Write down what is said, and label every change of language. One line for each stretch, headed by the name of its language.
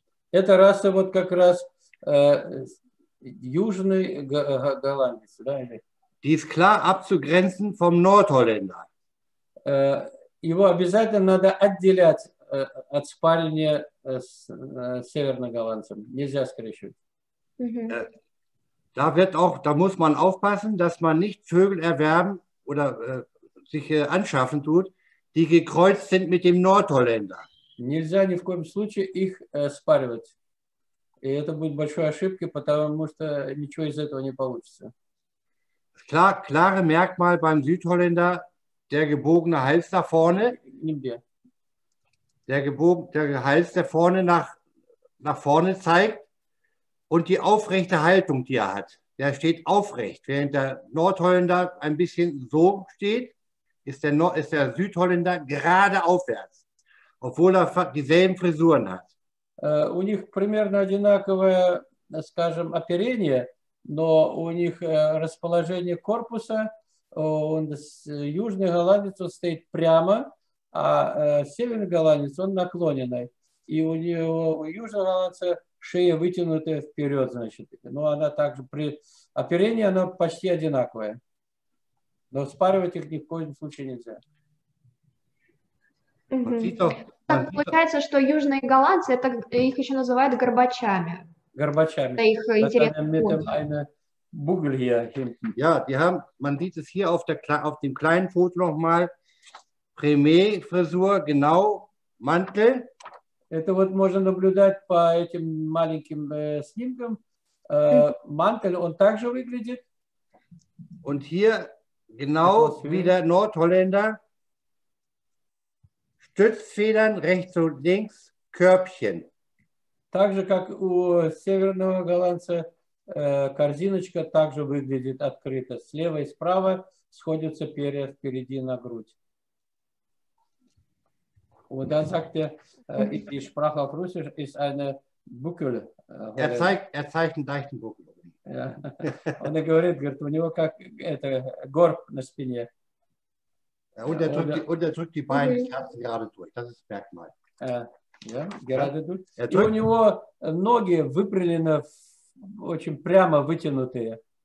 Russian: Эта раса вот как раз южный голландец, да?
German: Die ist klar abzugrenzen vom Nordholländer.
Russian: его обязательно надо отделять от спальни с северноголландцем. Нельзя скрещивать.
German: Da wird auch, da muss man aufpassen, dass man nicht Vögel erwerben oder sich anschaffen tut, die gekreuzt sind mit dem Nordholländer.
Russian: Нельзя ни в коем случае их спаривать. И это будет большой ошибкой, потому что ничего из этого не получится.
German: Klar, klare Merkmal beim Südholländer, der gebogene Hals da vorne. Der Hals, der vorne nach vorne zeigt. Und die aufrechte Haltung, die er hat, der steht aufrecht. Während der Nordholländer ein bisschen so steht, ist der Südholländer gerade aufwärts, obwohl er dieselben Frisuren hat.
Russian: У них примерно одинаковое, скажем, оперение, но у них расположение корпуса, он южный голландец он стоит прямо, а северный голландец он наклоненный. И у него у южного голландца шея вытянутая вперед, значит. Но она также при оперении она почти одинаковая. Но спаривать их ни в коем случае нельзя. Так получается, что южные голландцы, это их еще называют горбачами. Горбачами. Это их интересный
German: Бугель hier. Ja, die haben, man sieht es hier auf dem kleinen Foto nochmal. Premier-Frisur, genau, Mantel.
Russian: Это вот можно наблюдать по этим маленьким снимкам. Мантель, он также выглядит.
German: Und hier, genau wie der Nordholländer. Stützfedern rechts und links, Körbchen.
Russian: Также как у северного голландца корзиночка также выглядит открыто. Слева и справа сходятся перья впереди на грудь.
German: Und dann sagt er, die Sprache auf Russisch ist eine Buckel. Er zeigt einen leichten Buckel. Und er
Russian: говорит, у него как это горб на спине.
German: Und er drückt die Beine gerade durch. Das ist Merkmal. Ja, gerade durch.
Russian: И у него ноги выпрямлены, очень прямо вытянутые.